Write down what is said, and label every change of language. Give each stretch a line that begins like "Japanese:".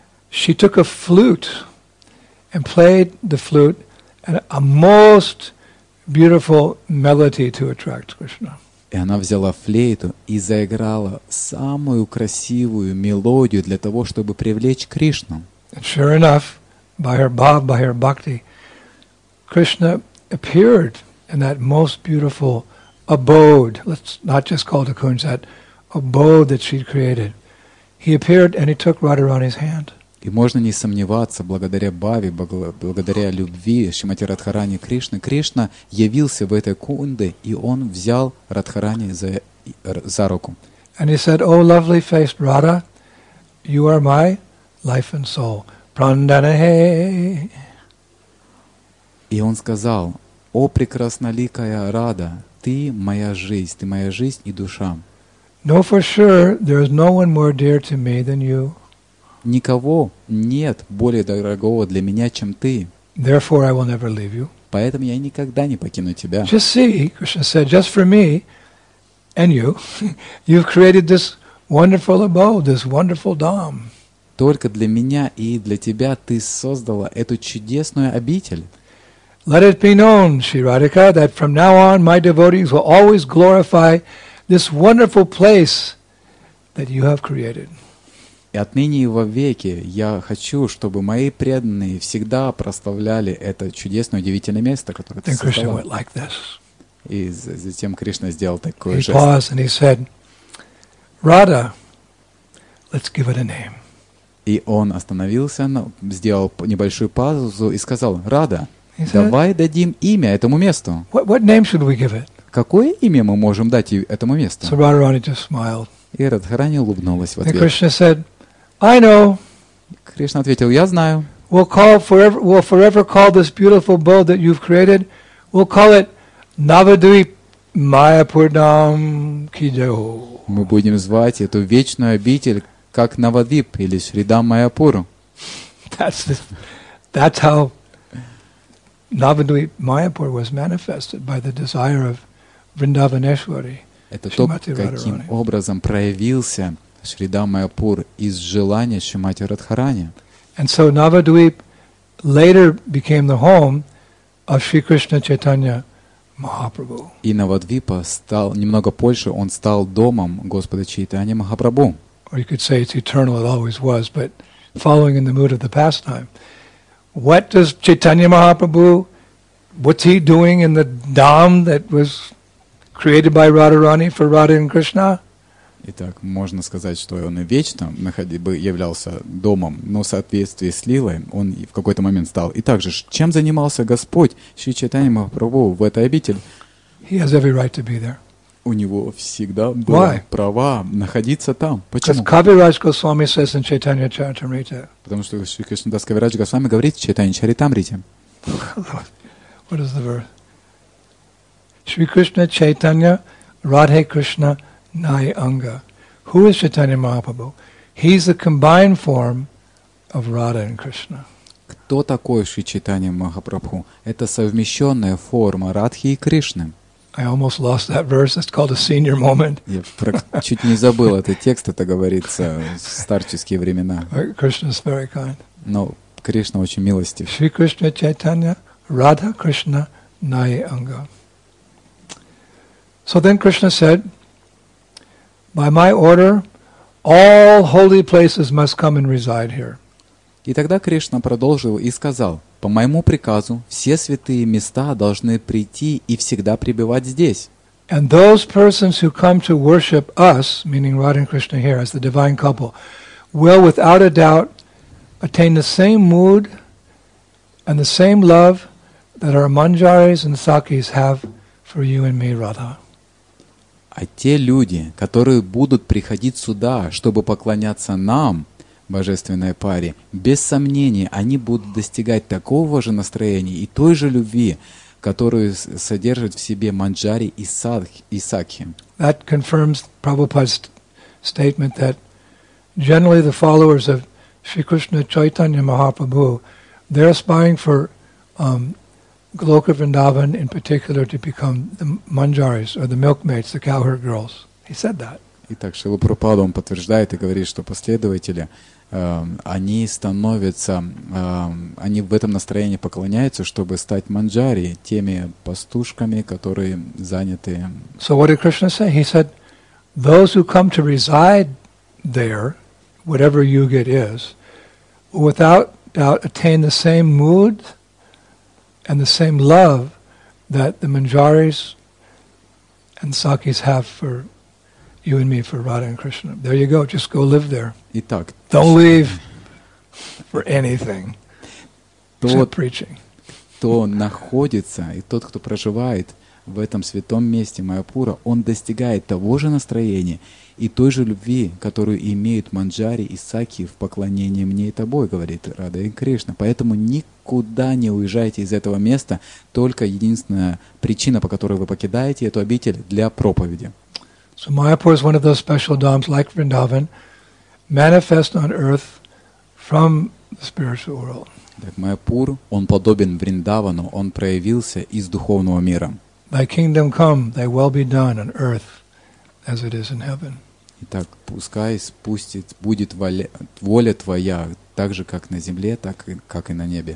English: She took a flute and played the flute and a most beautiful melody to attract Krishna.
Russian: И она взяла флейту и заиграла самую красивую мелодию для того, чтобы привлечь Кришну.
English: And sure enough, by her bhav, by her bhakti, Krishna appeared in that most beautiful abode. Let's not just call it a kunj, that abode that she'd created. He appeared and he took Radharani's hand.
Russian: И можно не сомневаться, благодаря бхаве, благодаря любви Шримати Радхарани Кришны, Кришна явился в этой кунде, и он взял Радхарани за руку.
English: And he said, oh, lovely faced Radha, you are my life and soul. Prandanahe.
Russian: И он сказал, о прекрасноликая Рада, ты моя жизнь и душа.
English: Know for sure, there is no one more dear to me than you.
Russian: Никого нет более дорогого для меня, чем ты.
English: Therefore, I will never leave you.
Russian: Поэтому я никогда не покину тебя.
English: Just see, Krishna said, just for me and you, you've created this wonderful abode, this wonderful dham.
Russian: Только для меня и для тебя ты создала эту чудесную обитель.
English: Let it be known, Sri Radhika, that from now on my devotees will always glorify this wonderful place that you have created.
Russian: И отныне и вовеки я хочу, чтобы мои преданные всегда прославляли это чудесное, удивительное место, которое ты создала. И затем Кришна сделал такой жест.
English: He paused and he said, Radha, let's give it a name.
Russian: И он остановился, сделал небольшую паузу и сказал, Рада, давай дадим имя этому месту.
English: What name should we give it?
Russian: Какое имя мы можем дать этому месту?
English: So Radharani just smiled.
Russian: И Радхарани улыбнулась в ответ.
English: And Krishna said, I know.
Russian: Кришна ответил, я знаю.
English: We'll forever call this beautiful boat that you've created, we'll call it Navadvip Mayapurnam Kijo.
Russian: Мы будем звать эту вечную обитель как Навадвип или Шридам Майяпуру.
English: That's how Navadvip Mayapur was manifested by the desire of Vrindavaneshwari.
Russian: Это то, каким образом проявился Шридам Майяпур из желания Шримати Радхарани.
English: And so Navadvip later became the home of Sri Krishna Chaitanya Mahaprabhu.
Russian: И Навадвипа стал немного позже, он стал домом Господа Чайтаньи Махапрабху.
English: Or you could say it's eternal, it always was, but following in the mood of the pastime. What does Chaitanya Mahaprabhu, what's he doing in the dham that was created by Radharani for Radha and Krishna?
Russian: Итак, можно сказать, что он и вечно являлся домом, но в соответствии с Лилой он в какой-то момент стал. И также, чем занимался Господь Шри Чайтанья Махапрабху в этой обители?
English: He has every right to be there.
Russian: У него всегда было право находиться там. Почему?
English: Because Kaviraj Goswami says in Chaitanya Charitamrita.
Russian: Потому что Шри Кришнадас Кавирадж Госвами говорит в Чайтанья Чаритамрите.
English: What is the verse?
Bangla: Шри Кришна Чайтанья Радхе Кришна Nai Anga.
English: Who is Chaitanya Mahaprabhu? He's the combined form of Radha and Krishna.
Russian: Кто такой Шри Чайтанья Махапрабху? Это совмещенная форма Радхи и Кришны.
English: I almost lost that verse. It's called a senior moment.
Russian: Я чуть не забыл этот текст, это говорится в старческие времена.
English: Krishna is very kind.
Russian: Но Кришна очень милостив.
Bangla: Шри Кришна Чайтанья Радха Кришна Nai Anga.
English: So then Krishna said, by my order, all holy places must come and reside here.
Russian: И тогда Кришна продолжил и сказал: по моему приказу все святые места должны прийти и всегда пребывать здесь.
English: And those persons who come to worship us, meaning Radha and Krishna here as the divine couple, will without a doubt attain the same mood and the same love that our manjaris and sakis have for you and me, Radha.
Russian: А те люди, которые будут приходить сюда, чтобы поклоняться нам, божественной паре, без сомнения, они будут достигать такого же настроения и той же любви, которую содержат в себе манджари и сакхи.
English: That confirms Prabhupada's statement that generally the followers of Sri Krishna Chaitanya Mahaprabhu, they're aspiring for Goloka Vrindavan in particular to become the manjaris or the milkmaids, the cowherd girls. He said that.
Russian: Итак, Шрила Прабхупада он подтверждает и говорит, что последователи, они становятся, они в этом настроении поклоняются, чтобы стать манджари, теми пастушками, которые заняты.
English: So what did Krishna say? He said, those who come to reside there, whatever yuga it is, without doubt attain the same mood and the same love that the manjaris and sakis have for you and me, for Radha and Krishna. There you go. Just go live there.
Russian: Итак,
English: don't leave for anything. Except preaching.
Russian: Кто находится и тот, кто проживает в этом святом месте Майяпура, он достигает того же настроения и той же любви, которую имеют манджари и сакхи в поклонении мне и тобой, говорит Радха и Кришна. Поэтому никуда не уезжайте из этого места. Только единственная причина, по которой вы покидаете эту обитель, для проповеди.
English: So Mayapur is one of those special dhams like Vrindavan, manifest on earth from the spiritual world.
Russian: Так Майяпур, он подобен Вриндавану, он проявился из духовного мира.
English: Thy kingdom come, thy will be done on earth as it is in heaven.
Russian: Итак, пускай спустит, будет воля твоя, так же как на земле, так как и на небе.